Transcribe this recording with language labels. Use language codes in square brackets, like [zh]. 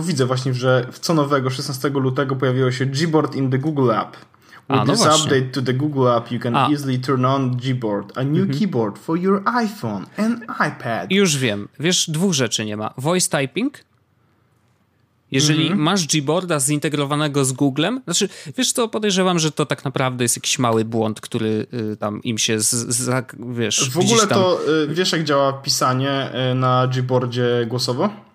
[pl] Widzę właśnie, że w co nowego 16 lutego pojawiło się Gboard [en] in the Google App. With this update to the Google App, you can easily turn on Gboard, a new keyboard for your iPhone and iPad. [pl] Już wiem. Wiesz, 2 rzeczy nie ma. Voice typing. Jeżeli masz Gboarda zintegrowanego z Googlem, znaczy, wiesz co, podejrzewam, że to tak naprawdę jest jakiś mały błąd, który tam im się, wiesz, w ogóle tam... to, wiesz jak działa pisanie na Gboardzie głosowo?